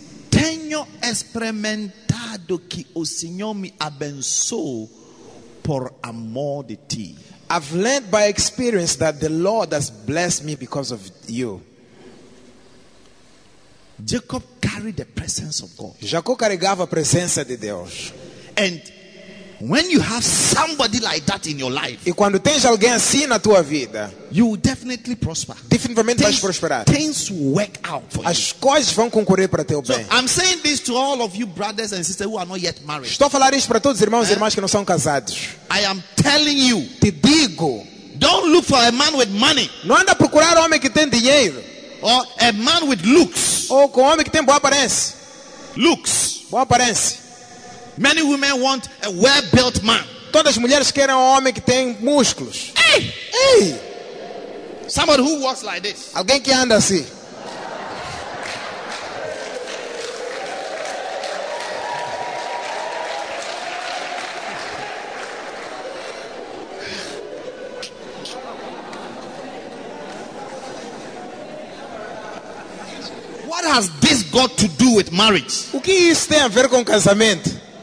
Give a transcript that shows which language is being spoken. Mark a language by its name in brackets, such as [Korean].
[Portuguese] tenho experimentado que o Senhor me abençoou por amor de ti. [English] I've learned by experience that the Lord has blessed me because of you. Jacob carried the presence of God. [Portuguese] Jacó carregava a presença de Deus. [English] And When you have somebody like that in your life, [Portuguese] e quando tens alguém assim na tua vida, [English] you will definitely prosper. [Portuguese] Definitivamente vais prosperar. [English] Things work out for as you. [Portuguese] Coisas vão concorrer para teu bem. [English] So, I'm saying this to all of you brothers and sisters who are not yet married. [Portuguese] Estou a falar isto para todos os irmãos e irmãs que não são casados. [English] I am telling you, [Portuguese] te digo, [English] don't look for a man with money. [Portuguese] Não anda a procurar homem que tem dinheiro. [English] Or a man with looks. [Portuguese] Ou com homem que tem boa aparência. [English] Looks. [Portuguese] Boa aparência. [English] Many women want a well-built man. [Portuguese] Todas as mulheres querem um homem que tem músculos. [English] Hey! Somebody who walks like this. [Portuguese] Alguém que anda assim. [English] What has this got to do with marriage? [Portuguese] O que isso tem a ver com casamento?